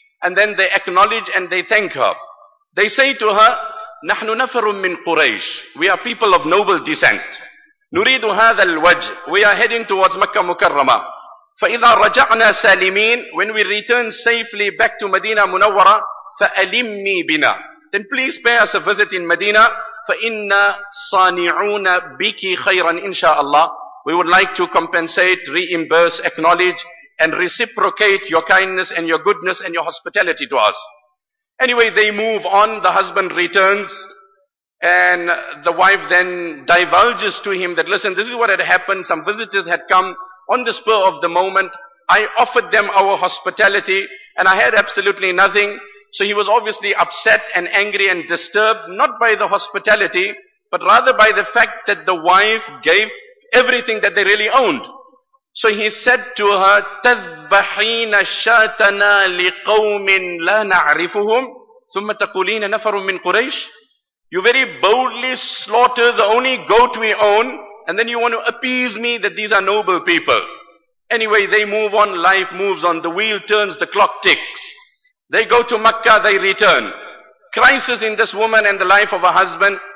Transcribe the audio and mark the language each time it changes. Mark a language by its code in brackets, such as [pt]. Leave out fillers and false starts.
[en] And then they acknowledge and they thank her. They say to her, [ar] "Nahnu nafarum min Quraysh." [en] We are people of noble descent. [ar] "Nuridu hadha al-wajh." [en] We are heading towards Makkah Mukarramah. [ar] "Fa'idha raja'na salimeen." [en] When we return safely back to Medina Munawwara, [ar] "Fa'alimmi bina." [en] Then please pay us a visit in Medina. [ar] فَإِنَّ صَانِعُونَ بِكِ خَيْرًا inshaAllah. [en] We would like to compensate, reimburse, acknowledge, and reciprocate your kindness and your goodness and your hospitality to us. Anyway, they move on. The husband returns. And the wife then divulges to him that, "Listen, this is what had happened. Some visitors had come on the spur of the moment. I offered them our hospitality and I had absolutely nothing." So he was obviously upset and angry and disturbed, not by the hospitality, but rather by the fact that the wife gave everything that they really owned. So he said to her, [ar] "تَذْبَحِينَ شَاتَنَا لِقَوْمٍ لَا نَعْرِفُهُمْ ثُمَّ تَقُولِينَ نَفَرٌ مِّن قُرَيْشٍ." [en] You very boldly slaughter the only goat we own, and then you want to appease me that these are noble people. Anyway, they move on, life moves on, the wheel turns, the clock ticks. They go to Makkah, they return. Crisis in this woman and the life of her husband.